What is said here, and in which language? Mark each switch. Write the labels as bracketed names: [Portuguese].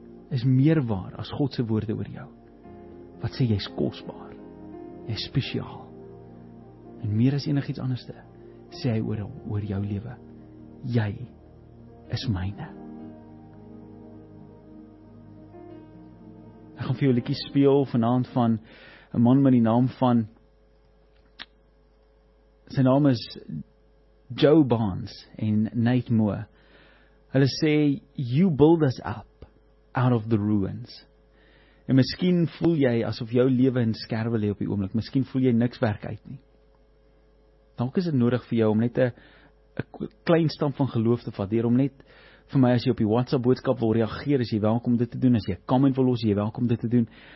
[Afrikaans] is meer waar as God se woorde oor jou, wat sê jy is kosbaar, jy is spesiaal, en meer as enig iets anderste, sê hy oor jou lewe, jy is myne. Ek gaan vir jou 'n liedjie speel vanaand van 'n man met die naam van, sy naam is Joe Barnes en Nate Moore. Hulle sê, [English] you build us up out of the ruins. [Afrikaans] En miskien voel jy asof jou lewe in skerwe lê op die oomblik. Miskien voel jy niks werk uit nie. Dalk is dit nodig vir jou om net 'n klein stamp van geloof te vat, deur om net vir my, as jy op die WhatsApp boodskap wil reageer, is jy welkom dit te doen. As jy 'n comment wil los, is jy welkom dit te doen.